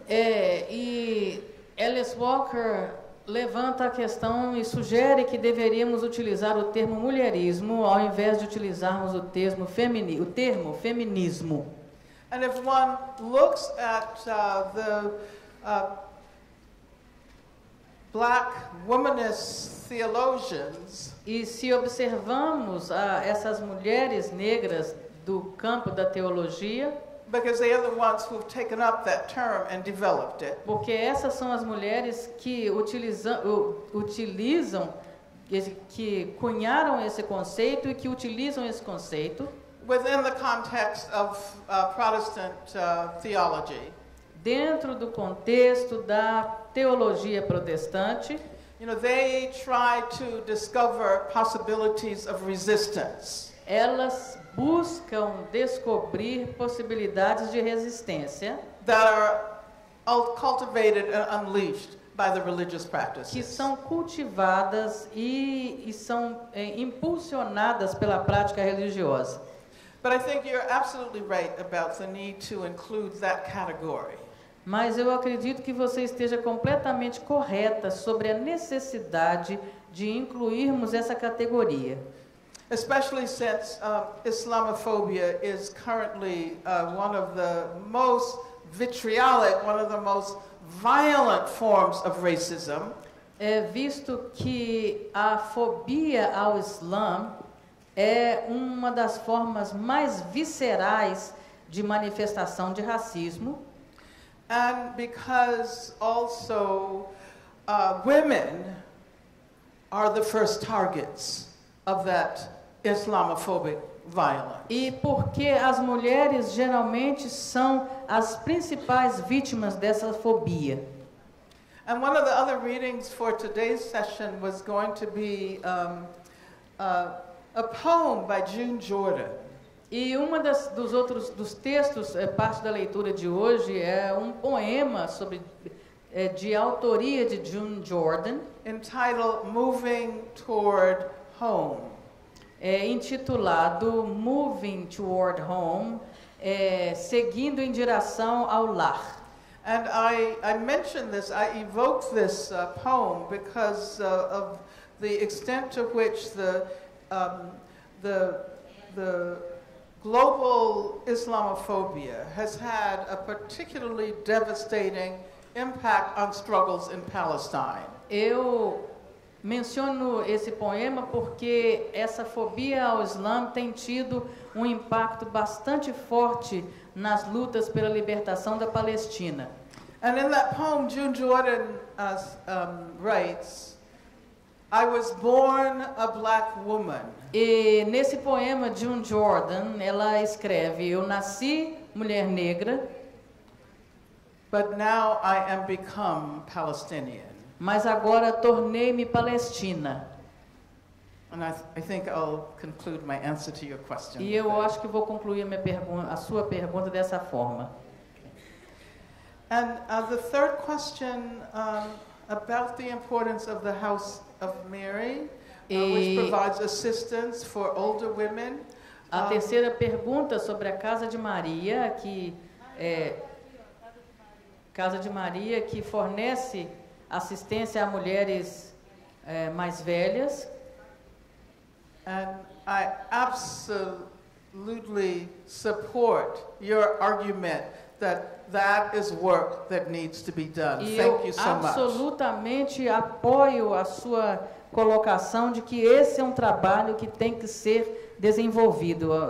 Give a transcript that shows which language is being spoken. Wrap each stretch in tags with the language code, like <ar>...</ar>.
<pt>E Alice Walker levanta a questão e sugere que deveríamos utilizar o termo mulherismo ao invés de utilizarmos o termo feminismo.</pt> <en>And if one looks at the black womanist theologians,</en> <pt>e se observamos essas mulheres negras do campo da teologia,</pt> <en>because they are the ones who've taken up that term and developed it.</en> <pt>Porque essas são as mulheres que utilizam, que cunharam esse conceito e que utilizam esse conceito</pt> <en>within the context of Protestant theology.</en> <pt>Dentro do contexto da teologia protestante,</pt> <en>you know, they try to discover possibilities of resistance.</en> <pt>Elas buscam descobrir possibilidades de resistência</pt> <en>that are cultivated and unleashed by the religious practices.</en> <pt>Que são cultivadas e são impulsionadas pela prática religiosa.</pt> <en>But I think you're absolutely right about the need to include that category.</en> <pt>Mas eu acredito que você esteja completamente correta sobre a necessidade de incluirmos essa categoria.</pt> <en>Especially since Islamophobia is currently one of the most vitriolic, one of the most violent forms of racism.</en> <pt>É visto que a fobia ao Islã é uma das formas mais viscerais de manifestação de racismo.</pt> <en>And because also women are the first targets of that Islamophobic violence.</en> <pt>E porque as mulheres geralmente são as principais vítimas dessa fobia.</pt> <en>And one of the other readings for today's session was going to be a poem by June Jordan.</en> <pt>E uma das dos outros dos textos é parte da leitura de hoje é um poema sobre de autoria de June Jordan,</pt> <en>entitled Moving Toward Home.</en> <pt>É intitulado Moving Toward Home, seguindo em direção ao lar.</pt> <en>And I mentioned this, I evoked this poem because of the extent to which the global Islamophobia has had a particularly devastating impact on struggles in Palestine.</en> <pt>Eu menciono esse poema porque essa fobia ao Islã tem tido um impacto bastante forte nas lutas pela libertação da Palestina.</pt> <en>And in that poem, June Jordan writes, I was born a black woman.</en> <pt>E nesse poema, June Jordan, ela escreve, eu nasci mulher negra,</pt> <en>but now I am become Palestinian.</en> <pt>Mas agora tornei-me palestina.</pt> <en>And I think I'll conclude my answer to your question.</en> <pt>E eu acho que vou concluir a sua pergunta dessa forma.</pt> <en>And the third question about the importance of the House of Mary, which provides assistance for older women.</en> <pt>A terceira pergunta sobre a Casa de Maria, que Casa de Maria que fornece assistência a mulheres mais velhas.</pt> <en>And I absolutely support your argument that that is work that needs to be done.</en> <pt>E</pt> <en>thank you so much.</en> <pt>Eu absolutamente apoio a sua colocação de que esse é um trabalho que tem que ser desenvolvido.</pt>